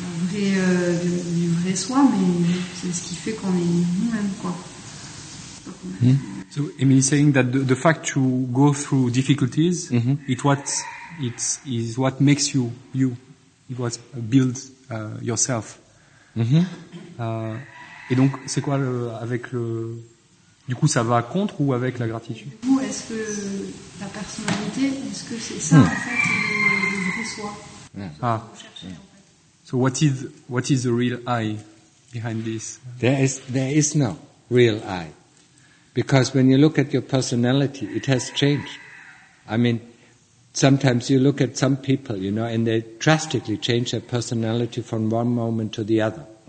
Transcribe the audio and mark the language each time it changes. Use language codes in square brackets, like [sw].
[fr] Du vrai soi, mais c'est ce qui fait qu'on est nous-mêmes, quoi. [en] So Emily saying that the fact to go through difficulties, it is what makes you you. It was build yourself. Mm-hmm. [fr] Et donc c'est quoi du coup ça va contre ou avec la gratitude? Ou est-ce que la personnalité, est-ce que c'est ça en fait le vrai soi? Mm. Ah. [en] So what is the real I behind this? There is no real I. Because when you look at your personality, it has changed. I mean, sometimes you look at some people, you know, and they drastically change their personality from one moment to the other.